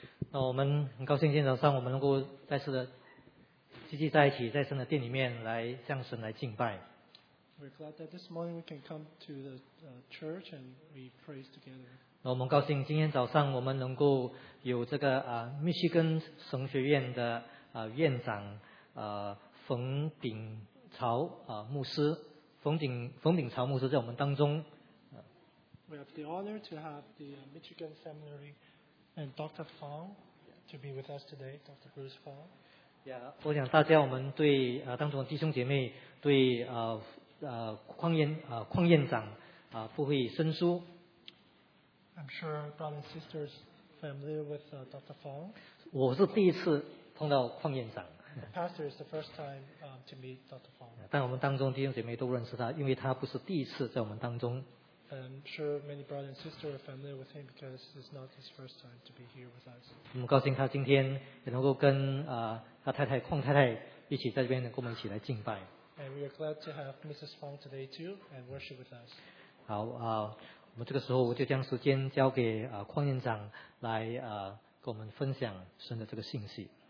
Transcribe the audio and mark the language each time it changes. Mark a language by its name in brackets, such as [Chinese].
[Chinese] 那我们很高兴今天早上我们能够再次的聚集在一起，在神的殿里面来向神来敬拜。 [English] We're glad that this morning we can come to the church and we praise together. [Chinese] 那我们高兴今天早上我们能够有这个密西根神学院的院长冯鼎朝牧师，冯鼎朝牧师在我们当中。 [English] We have the honor to have the Michigan Seminary and Dr. Fong to be with us today, Dr. Bruce Fong. [Chinese] Yeah, 我想大家我们对当中的弟兄姐妹对邝院长不会生疏。 [English] I'm sure brothers and sisters familiar with Dr. Fong. [Chinese] 我是第一次碰到邝院长。 [English] The pastor is the first time to meet Dr. Fong. [Chinese] 但我们当中弟兄姐妹都认识他，因为他不是第一次在我们当中。 [English] I'm sure many brothers and sisters are familiar with him because it's not his first time to be here with us. [Chinese] 我们高兴他今天也能够跟他太太邝太太一起在这边跟我们一起来敬拜。 [English] And we are glad to have Mrs. Fong today too and worship with us. [Chinese] 好我们这个时候我就将时间交给邝院长来跟我们分享神的这个信息。